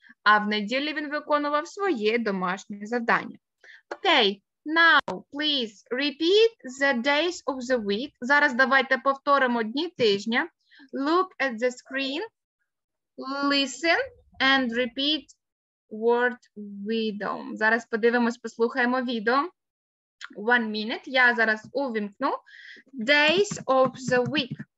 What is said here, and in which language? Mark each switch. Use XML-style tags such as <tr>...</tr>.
<uk>А в неділю він виконував своє домашнє завдання. Окей.</uk> <en>Now, please repeat the days of the week.</en> <uk>Зараз давайте повторимо дні тижня.</uk> <en>Look at the screen, listen and repeat word video.</en> <uk>Зараз подивимось, послухаємо відео.</uk> <en>1 minute,</en> <uk>я зараз увімкну.</uk> <en>Days of the week.</en>